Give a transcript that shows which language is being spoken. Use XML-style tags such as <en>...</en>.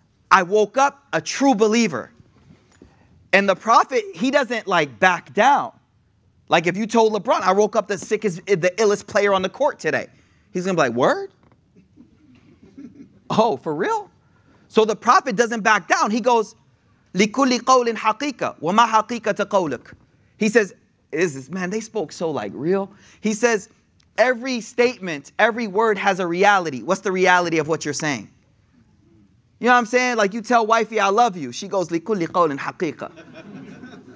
<en>I woke up a true believer. And the Prophet, he doesn't like back down. Like if you told LeBron, I woke up the illest player on the court today. He's going to be like, word? Oh, for real? So the Prophet doesn't back down. He goes,</en> <ar>لِكُلِّ قَوْلٍ حَقِيقَةٍ وَمَا حَقِيقَةَ قَوْلُكَ.</ar> <en>He says, is this, man, they spoke so like real. He says, every statement, every word has a reality. What's the reality of what you're saying? You know what I'm saying? Like you tell wifey, I love you. She goes,</en> <ar>لِكُلِّ قَوْلٍ حَقِيقَةٍ.</ar>